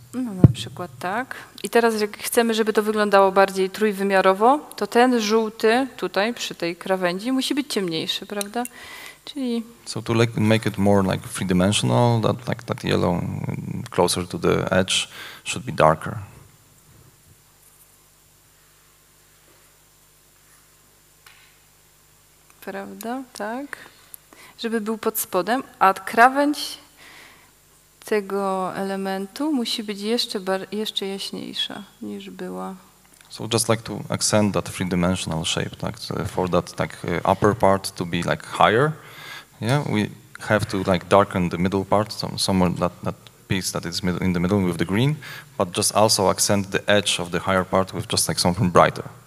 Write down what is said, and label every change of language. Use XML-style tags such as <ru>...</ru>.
<pl>No, na przykład tak. I teraz jak chcemy, żeby to wyglądało bardziej trójwymiarowo, to ten żółty tutaj przy tej krawędzi musi być ciemniejszy, prawda? Czyli...</pl> <en>So to like make it more like three-dimensional, that like that yellow closer to the edge should be darker.</en> <pl>Prawda, tak. Żeby był pod spodem, a krawędź tego elementu musi być jeszcze jeszcze jaśniejsza niż była.</pl> <en>So just like to accent that three-dimensional shape,</en> <pl>tak?</pl> <en>So for that like upper part to be like higher, yeah, we have to like darken the middle part, so somewhere that piece that is in the middle with the green, but just also accent the edge of the higher part with just like something brighter.</en>